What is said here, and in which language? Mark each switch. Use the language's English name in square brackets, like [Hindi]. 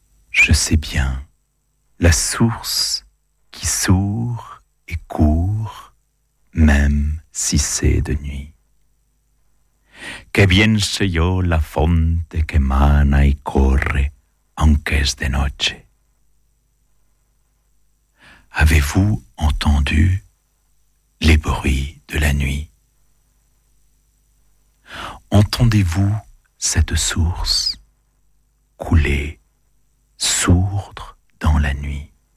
[French] Je sais bien, la source qui sourd et court, même si c'est de nuit. [Spanish] Que bien sé yo la fonte que mana y corre, aunque es de noche. [French] Avez-vous entendu les bruits de la nuit? Entendez-vous cette source couler, sourdre dans la nuit?